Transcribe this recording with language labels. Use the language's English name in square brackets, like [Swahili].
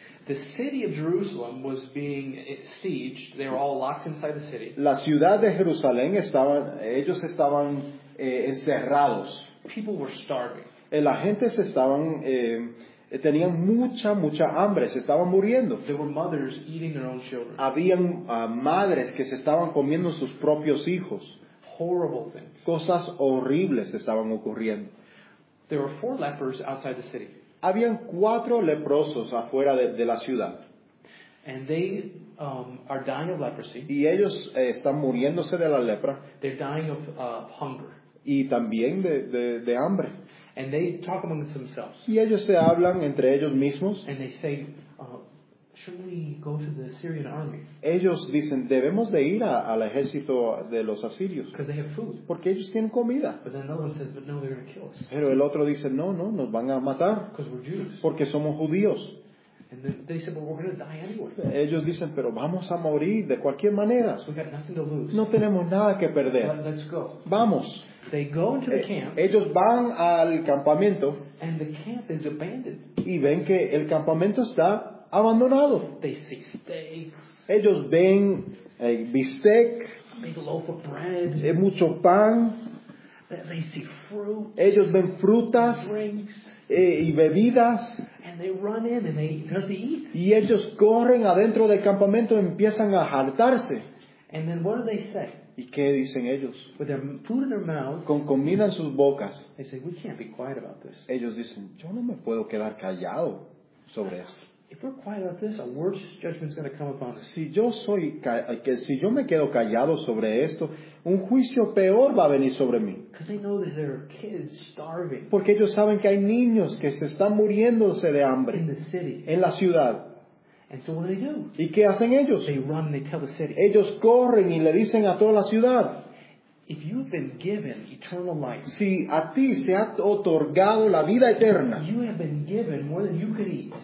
[English] The city of Jerusalem was being sieged. They were all locked inside the city. [Spanish] La ciudad de Jerusalén ellos estaban encerrados. [English] People were starving. [Spanish] La gente se estaban tenían mucha hambre, se estaban muriendo. [English] There were mothers eating their own children. [Spanish] Habían madres que se estaban comiendo sus propios hijos. [English] Horrible things. [Spanish] Cosas horribles estaban ocurriendo. [English] There were four lepers outside the city. [Spanish] Habían cuatro leprosos afuera de la ciudad. [English] And they, are dying of leprosy. [Spanish] Y ellos están muriéndose de la lepra. [English] They're dying of, hunger. [Spanish] Y también de hambre. [English] And they talk among themselves. [Spanish] Y ellos se hablan entre ellos mismos. [English] And they say, should we go to the Syrian army? [Spanish] Ellos dicen, debemos de ir al ejército de los asirios. [English] Because they have food. [Spanish] Porque ellos tienen comida. [English] But then another one says, but no, they're going to kill us. [Spanish] Pero el otro dice, no, nos van a matar. [English] Because we're Jews. [Spanish] Porque somos judíos. [English] And then they said, but we're going to die anyway. [Spanish] Ellos dicen, pero vamos a morir de cualquier manera. [English] So we've got nothing to lose. [Spanish] No tenemos nada que perder. [English] Let's go. [Spanish] Vamos. [English] They go into the camp. [Spanish] Ellos van al campamento. [English] And the camp is abandoned. [Spanish] Y ven que el campamento está abandonado. [English] They see steaks. [Spanish] Ellos ven bistec, [English] big loaf of bread, [Spanish] mucho pan. [English] They see fruit. [Spanish] Ellos ven frutas, [English] drinks, [Spanish] y bebidas. [English] And they run in and they start to eat. [Spanish] Y ellos corren adentro del campamento y empiezan a hartarse. [English] And then what do they say? [Spanish] ¿Y qué dicen ellos? [English] With their food in their mouths, [Spanish] con comida en sus bocas. [English] They say, we can't be quiet about this. [Spanish] Ellos dicen, yo no me puedo quedar callado sobre esto. [English] If we're quiet about this, a worse judgment is going to come upon us. [Spanish] Si yo me quedo callado sobre esto, un juicio peor va a venir sobre mí. [English] Because they know that there are kids starving. [Spanish] Porque ellos saben que hay niños que se están muriéndose de hambre. [English] In the city. [Spanish] En la ciudad. [English] And so what do they do? [Spanish] ¿Y qué hacen ellos? [English] They run and they tell the city. [Spanish] Ellos corren y le dicen a toda la ciudad. [English] If you've been given eternal life, [Spanish] si a ti se ha otorgado la vida eterna, [English] you have been given more than you could eat.